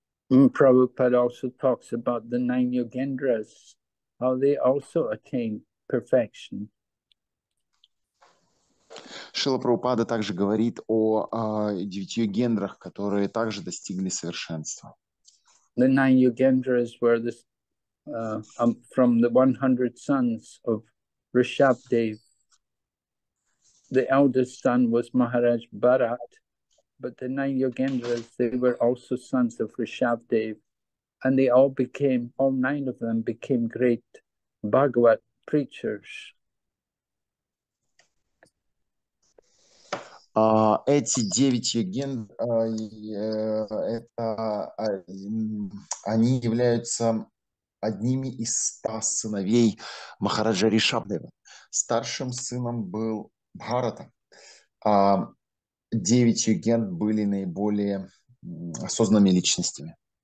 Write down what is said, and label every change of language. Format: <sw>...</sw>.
<en>Prabhupada also talks about the nine yogendras, how they also attain perfection.</en> <ru>Шрила Прабхупада также говорит о девяти йогендрах, которые также достигли совершенства.</ru> <en>The nine yogendras were this, from the 100 sons of Rishabdev. The eldest son was Maharaj Bharat, but the nine yogendras, they were also sons of Rishabdev, and they all became, all nine of them became great Bhagavat preachers.</en> <ru>Эти девять йогендр, они являются одними из 100 сыновей Махараджа Ришабдева. Старшим сыном был Бхарата. Девять йогендр были наиболее осознанными личностями.</ru>